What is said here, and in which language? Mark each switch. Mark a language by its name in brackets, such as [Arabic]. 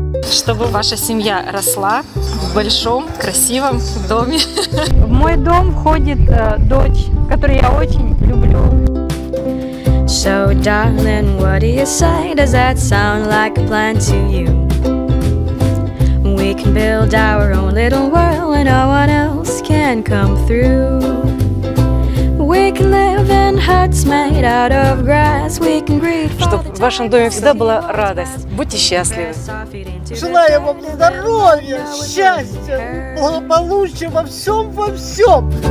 [Russian] Чтобы ваша семья росла в большом, красивом доме. В мой дом входит дочь, которую я очень люблю. [English] So, darling, what do you say? Does that sound like a plan to you? We can build our own little world when no one else can come through. We can live in huts made out of grass. We can greet. [Russian] Чтобы в вашем доме всегда была радость. Будьте счастливы. Желаю вам здоровья, счастья, благополучия во всем, во всем.